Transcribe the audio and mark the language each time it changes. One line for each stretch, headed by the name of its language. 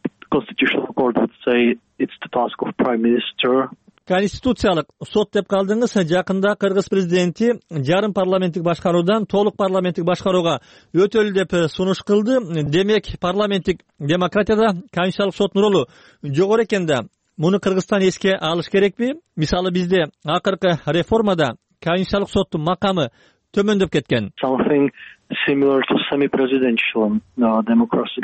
English: Constitutional court would say it's the task of prime minister.
Kyrgyz: Конституциялык сот деп калдыңыз, жакында кыргыз президенти жарым парламенттик башкаруудан толук парламенттик башкарууга өтөлү деп сунуш кылды. Демек парламенттик демократияда конституциялык соттун ролу жогору экен да, муну Кыргызстан эске алыш керекпи? Мисалы, бизде акыркы реформада конституциялык соттун макамы төмөндөп кеткен.
English: Something similar to semi-presidential democracy.